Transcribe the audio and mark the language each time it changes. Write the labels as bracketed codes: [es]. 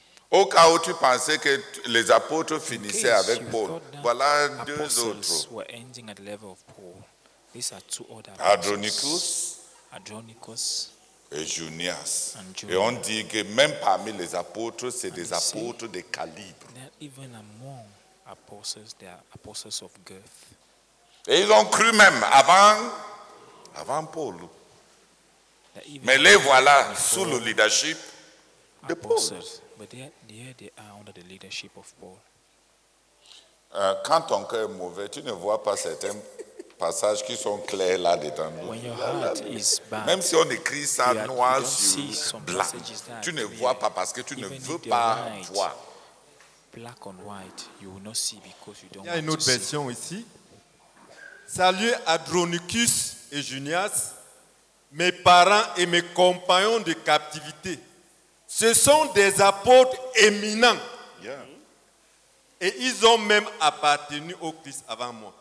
[fr] Au cas où tu pensais que les apôtres finissaient avec Paul, voilà deux autres. [en] Were ending at the level of Paul. These are two other Adronicus. [fr] Adronicus. Et Junias. Et on dit que même parmi les apôtres, c'est [en] and [fr] des apôtres de calibre. [en] Even among apostles, they are apostles of girth. [fr] Et ils ont cru même avant Paul. Mais les voilà sous le leadership de Paul. [en] But there they are under the leadership of Paul. [fr] Quand ton cœur est mauvais, tu ne vois pas certains passages qui sont clairs là-dedans. [en] When your heart is bad, [fr] même si on écrit ça noir sur blanc, tu ne vois pas parce que tu ne veux pas voir. [en] Black on white, you will not see because you don't want to see. [fr] Il y a une autre version ici. Salut Adronicus et Junias, mes parents et mes compagnons de captivité. Ce sont des apôtres éminents. Yeah. Et ils ont même appartenu au Christ avant moi.